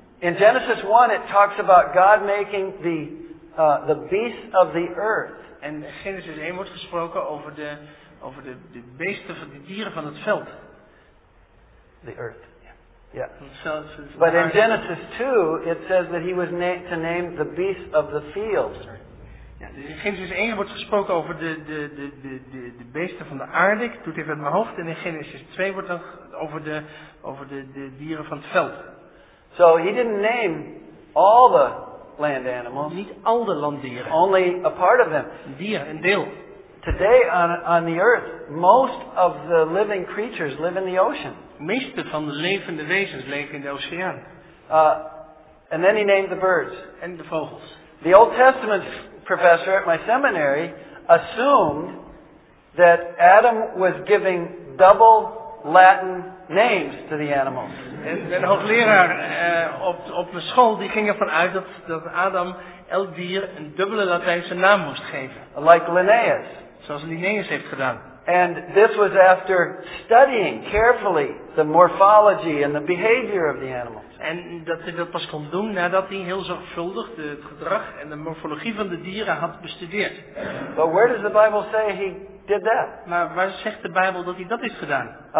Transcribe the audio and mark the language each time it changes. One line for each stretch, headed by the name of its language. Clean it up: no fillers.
English: In Genesis 1 it talks about God making the beasts of the earth.
Dutch: En Genesis 1 wordt gesproken over de beesten van de dieren van het veld.
English: The earth. Yeah. But in Genesis 2 it says that he was to name the beasts of the field.
Dutch: In Genesis 1 wordt gesproken over de beesten van de aarde. Ik doe het even uit mijn hoofd. En in Genesis 2 wordt dan over de dieren van het veld.
English: So he didn't name all the land animals.
Dutch: Niet al de landdieren.
English: Only a part of them.
Dutch: Een deel.
English: Today on the earth, most of the living creatures live in the ocean.
Dutch: Meeste van de levende wezens leven in de oceaan.
English: And then he named the birds.
Dutch: En de vogels.
English: The Old Testament professor at my seminary assumed that Adam was giving double Latin names to the animals.
Dutch: Een hoogleraar op mijn school die ging ervan uit dat Adam elk dier een dubbele Latijnse naam moest geven.
English: Like Linnaeus.
Dutch: Zoals Linnaeus heeft gedaan.
English: And this was after studying carefully the morphology and the behavior of the animals.
Dutch: En dat hij dat pas kon doen nadat hij heel zorgvuldig het gedrag en de morfologie van de dieren had bestudeerd.
English: But where does the Bible say he did that?
Dutch: Maar waar zegt de Bijbel dat hij dat heeft gedaan?